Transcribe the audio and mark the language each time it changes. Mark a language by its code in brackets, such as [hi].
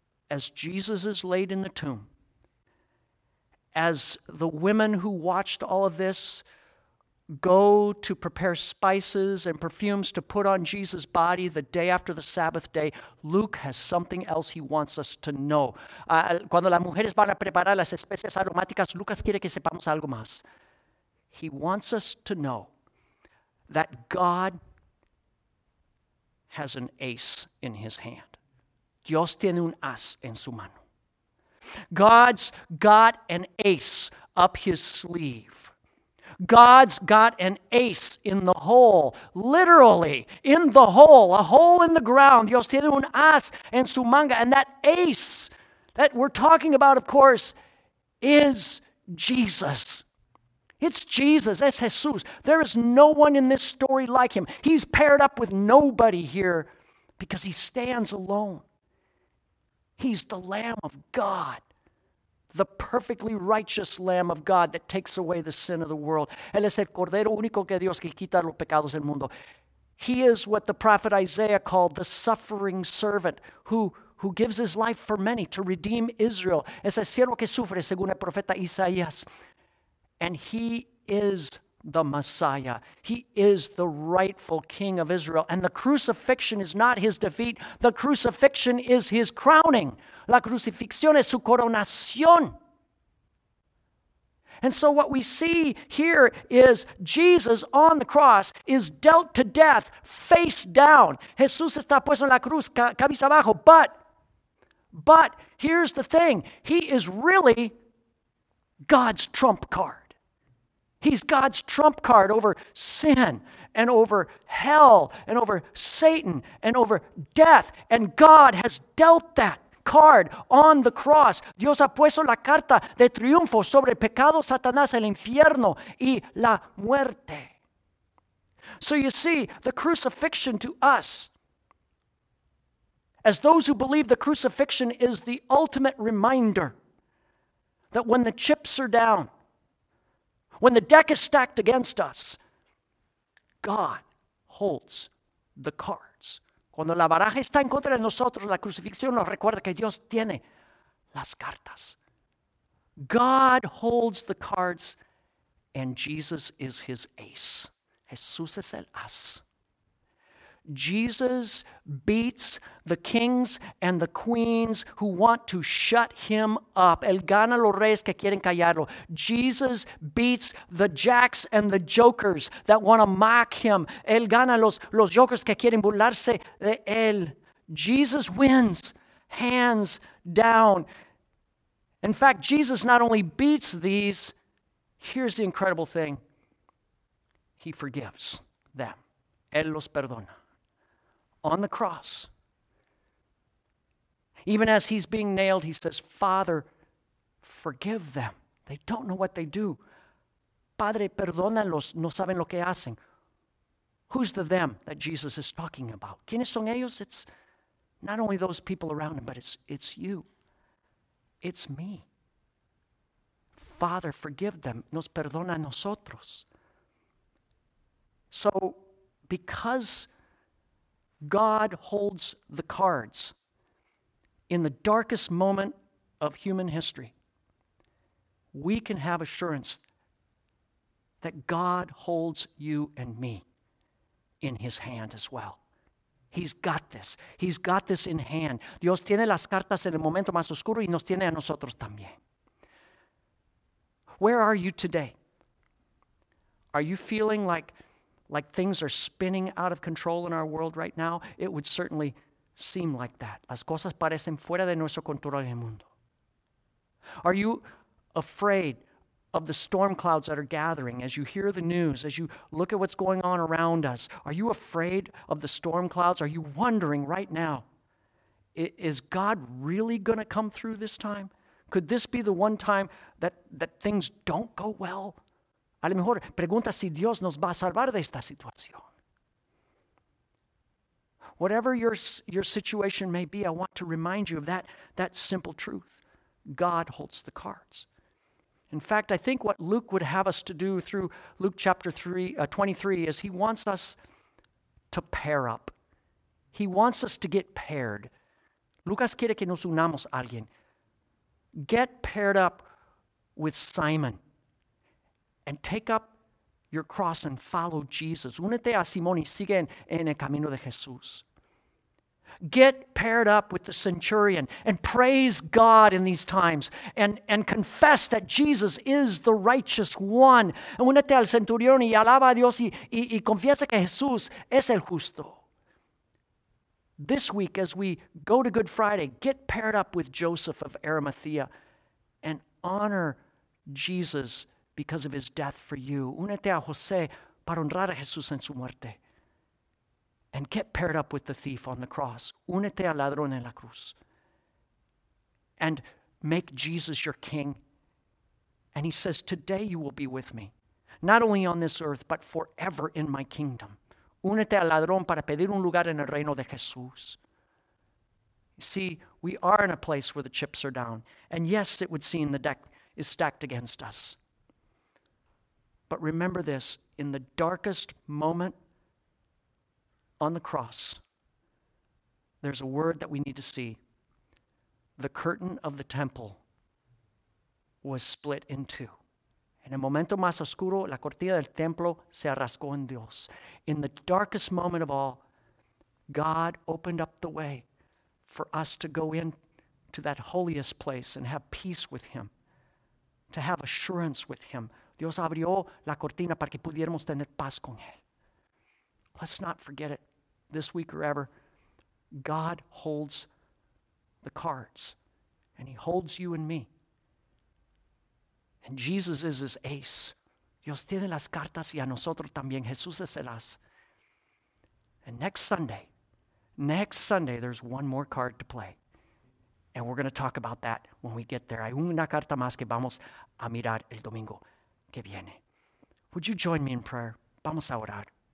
[en] As Jesus is laid in the tomb, as the women who watched all of this go to prepare spices and perfumes to put on Jesus' body the day after the Sabbath day, Luke has something else he wants us to know. [es] Cuando las mujeres van a preparar las especias aromáticas, Lucas quiere que sepamos algo más. [en] He wants us to know that God has an ace in his hand. [es] Dios tiene un as en su mano. [en] God's got an ace up his sleeve. God's got an ace in the hole, literally, in the hole, a hole in the ground. [es] Dios tiene un as en su manga. [en] And that ace that we're talking about, of course, is Jesus. It's Jesus, [es] es Jesús. [en] There is no one in this story like him. He's paired up with nobody here because he stands alone. He's the Lamb of God. The perfectly righteous Lamb of God that takes away the sin of the world. [es] Él es el Cordero único que Dios que quita los pecados del mundo. [en] He is what the prophet Isaiah called the suffering servant who gives his life for many to redeem Israel. [es] Es el siervo que sufre, según el profeta Isaías. [en] And he is the Messiah. He is the rightful King of Israel. And the crucifixion is not his defeat. The crucifixion is his crowning. [es] La crucifixión es su coronación. [en] And so what we see here is Jesus on the cross is dealt to death face down. [es] Jesús está puesto en la cruz, cabeza abajo. [en] But here's the thing. He is really God's trump card. He's God's trump card over sin and over hell and over Satan and over death. And God has dealt that card on the cross. [es] Dios ha puesto la carta de triunfo sobre el pecado, Satanás, el infierno y la muerte. [en] So you see, the crucifixion to us, as those who believe the crucifixion is the ultimate reminder that when the chips are down, when the deck is stacked against us, God holds the card. [es] Cuando la baraja está en contra de nosotros, la crucifixión nos recuerda que Dios tiene las cartas. [en] God holds the cards and Jesus is his ace. [es] Jesús es el as. [en] Jesus beats the kings and the queens who want to shut him up. [es] Él gana los reyes que quieren callarlo. [en] Jesus beats the jacks and the jokers that want to mock him. [es] Él gana los jokers que quieren burlarse de él. [en] Jesus wins hands down. In fact, Jesus not only beats these, here's the incredible thing. He forgives them. [es] Él los perdona. [en] On the cross, even as he's being nailed, he says, Father, forgive them. They don't know what they do. [es] Padre, perdónalos. No saben lo que hacen. [en] Who's the them that Jesus is talking about? [es] ¿Quiénes son ellos? [en] It's not only those people around him, but it's you. It's me. Father, forgive them. [es] Nos perdona a nosotros. [en] So, because God holds the cards in the darkest moment of human history, we can have assurance that God holds you and me in his hand as well. He's got this. He's got this in hand. [es] Dios tiene las cartas en el momento más oscuro y nos tiene a nosotros también. [en] Where are you today? Are you feeling like things are spinning out of control in our world right now? It would certainly seem like that. [es] Las cosas parecen fuera de nuestro control en el mundo. [en] Are you afraid of the storm clouds that are gathering as you hear the news, as you look at what's going on around us? Are you afraid of the storm clouds? Are you wondering right now, is God really going to come through this time? Could this be the one time that things don't go well? [es] A lo mejor pregunta si Dios nos va a salvar de esta situación. [en] Whatever your situation may be, I want to remind you of that simple truth. God holds the cards. In fact, I think what Luke would have us to do through Luke chapter 23 is he wants us to pair up. He wants us to get paired. [es] Lucas quiere que nos unamos a alguien. [en] Get paired up with Simon and take up your cross and follow Jesus. [es] Únete a Simón y sigue en el camino de Jesús. [en] Get paired up with the centurion and praise God in these times and confess that Jesus is the righteous one. [es] Únete al centurión y alaba a Dios y confiesa que Jesús es el justo. [en] This week, as we go to Good Friday, get paired up with Joseph of Arimathea and honor Jesus because of his death for you. [es] Únete a José para honrar a Jesús en su muerte. [en] And get paired up with the thief on the cross. [es] Únete al ladrón en la cruz. [en] And make Jesus your king. And he says, today you will be with me. Not only on this earth, but forever in my kingdom. [es] Únete al ladrón para pedir un lugar en el reino de Jesús. [en] You see, we are in a place where the chips are down. And yes, it would seem the deck is stacked against us. But remember this, in the darkest moment on the cross, there's a word that we need to see. The curtain of the temple was split in two. [es] En el momento más oscuro, la cortina del templo se rascó en Dios. [en] In the darkest moment of all, God opened up the way for us to go in to that holiest place and have peace with him, to have assurance with him. [es] Dios abrió la cortina para que pudiéramos tener paz con él. [en] Let's not forget it. This week or ever, God holds the cards, and he holds you and me. And Jesus is his ace. [es] Dios tiene las cartas y a nosotros también. Jesús es el as. [en] And next Sunday, there's one more card to play. And we're going to talk about that when we get there. [es] Hay una carta más que vamos a mirar el domingo que viene. [en] Would you join me in prayer? [es] Vamos a orar.